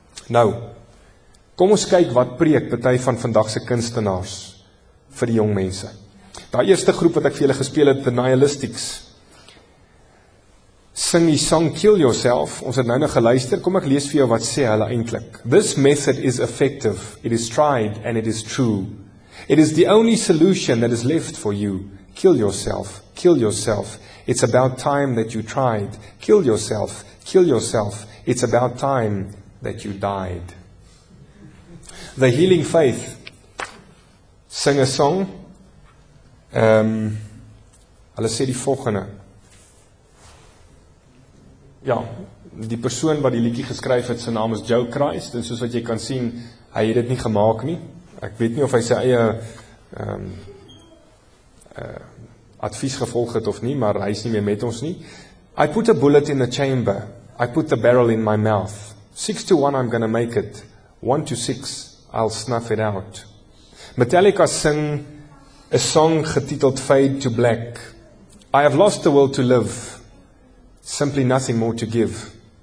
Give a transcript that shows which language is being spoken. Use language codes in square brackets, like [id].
[af] Nou, kom ons kyk wat preek party van vandag se kunstenaars vir die jong mense. Daai eerste groep wat ek vir julle gespeel het, The Nihilistics, sing die song Kill Yourself. Ons het nou geluister, kom ek lees vir jou wat sê hulle eintlik. [en] This method is effective, it is tried and it is true. It is the only solution that is left for you. Kill yourself, kill yourself. It's about time that you tried. Kill yourself, kill yourself. It's about time that you died. The Healing Faith sing a song. [af] Hulle sê die volgende. Ja, die persoon wat die liedjie geskryf het, sy naam is Joe Christ, en soos wat jy kan sien, hy het dit nie gemaak nie. Ek weet nie of hy sy eie advies gevolg het of nie, maar hy is nie meer met ons nie. [en] I put a bullet in a chamber, I put the barrel in my mouth. 6 to 1 I'm gonna make it, 1 to 6 I'll snuff it out. Metallica sing a song getiteld Fade to Black. I have lost the will to live. Simply nothing more to give.